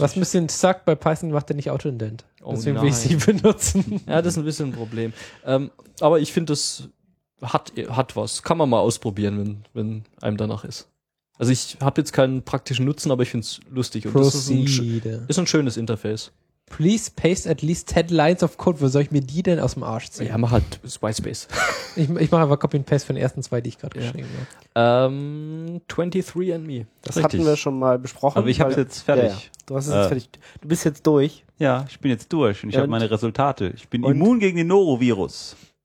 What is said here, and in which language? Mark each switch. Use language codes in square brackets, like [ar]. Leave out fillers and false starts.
[de] Was ein bisschen suckt, bei Python macht er nicht Autoindent. Deswegen will ich sie benutzen. Ja, das ist ein bisschen ein Problem. Aber ich finde das... Hat was. Kann man mal ausprobieren, wenn einem danach ist. Also ich habe jetzt keinen praktischen Nutzen, aber ich finde es lustig. Und das ist ein schönes Interface. [en] Please paste at least 10 lines of code. [de] Wo soll ich mir die denn aus dem Arsch ziehen? Ja, mach halt Whitespace. Ich mache einfach Copy and Paste für den ersten zwei, die ich gerade geschrieben habe. 23andMe. Das richtig. Hatten wir schon mal besprochen. Aber ich habe es jetzt fertig. Ja. Du hast es jetzt fertig. Du bist jetzt durch. Ja, ich bin jetzt durch und ich habe meine Resultate. Ich bin immun gegen den Norovirus.